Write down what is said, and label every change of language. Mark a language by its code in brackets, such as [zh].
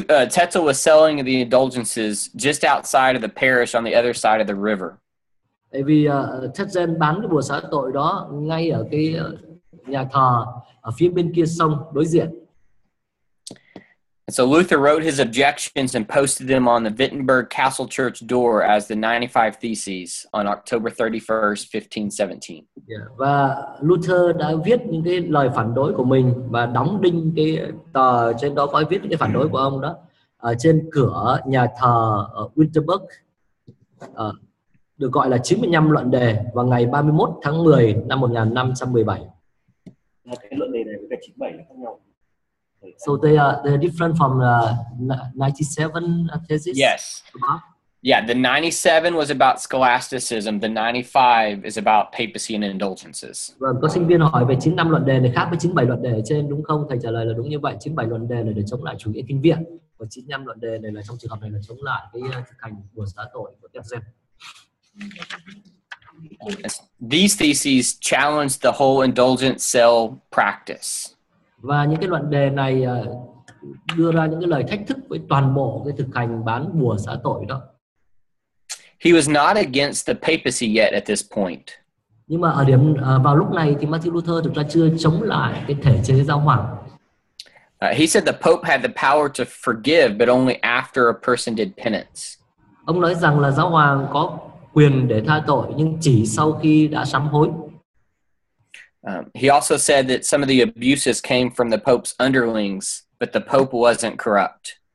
[en] Tetzel was selling the indulgences just outside of the parish on the other side of the river. [vi] Tại vì Tetzel bán cái bùa xá tội đó ngay ở cái nhà thờ ở phía bên kia sông đối diện. [en] And so Luther wrote his objections and posted them on the Wittenberg Castle Church door as the 95 Theses on October 31st, 1517. Yeah. [vi] Và Luther đã viết những cái lời phản đối của mình và đóng đinh cái tờ trên đó có viết cái phản đối của ông đó ở trên cửa nhà thờ ở Wittenberg, được gọi là 95 luận đề vào ngày 31 tháng 10 năm 1517. Cái luận đề này với cả 97 là khác nhau. [en] So they're different from the 97 thesis? Yes. Yeah, the 97 was about scholasticism. The 95 is about papacy and indulgences. [vi] Vâng, có sinh viên hỏi về 95 luận đề này khác với 97 luận đề ở trên, đúng không? Thầy trả lời là đúng như vậy. 97 luận đề này để chống lại chủ nghĩa kinh viện. Và 95 luận đề này là trong trường hợp này là chống lại cái thực hành của xã tội của Tetzel. [en] These theses challenge the whole indulgent cell practice. [vi] Và những cái luận đề này đưa ra những cái lời thách thức với toàn bộ cái thực hành bán bùa xá tội đó. [en] He was not against the papacy yet at this point. [vi] Nhưng mà ở điểm vào lúc này thì Martin Luther thực ra chưa chống lại cái thể chế giáo hoàng. [en] He said the pope had the power to forgive but only after a person did penance. [vi] Ông nói rằng là giáo hoàng có quyền để tha tội nhưng chỉ sau khi đã sám hối. [en] He also said that some of the abuses came from the Pope's underlings, but the Pope wasn't corrupt.